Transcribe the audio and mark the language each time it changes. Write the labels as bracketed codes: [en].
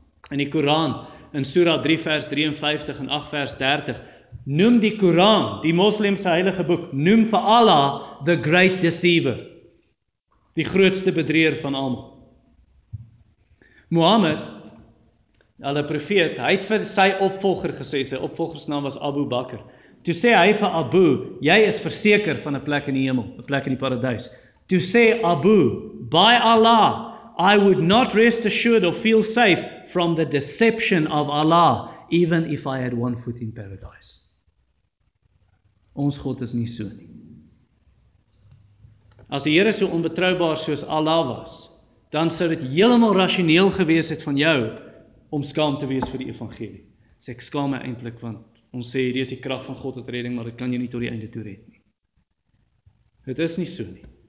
[af] In die Koran, in Surah 3 vers 53 en 8 vers 30, noem die Koran, die moslimse heilige boek, noem vir Allah [en] the great deceiver, [af] die grootste bedrieger van almal. Mohammed, hulle profeet, hy het vir sy opvolger gesê, sy opvolgersnaam was Abu Bakr. Toe sê hy vir Abu, jy is verseker van 'n plek in die hemel, 'n plek in die paradys. Toe sê Abu, by Allah, [en] I would not rest assured or feel safe from the deception of Allah, even if I had one foot in paradise. [af] Ons God is nie so nie. As die Here so onbetroubaar soos Allah was, dan sou dit heeltemal rasioneel gewees het van jou om skaam te wees vir die evangelie. Sê ek skaam my eintlik, want ons sê hierdie is die krag van God tot redding, maar dit kan jou nie tot die einde toe red nie. Dit is nie so nie.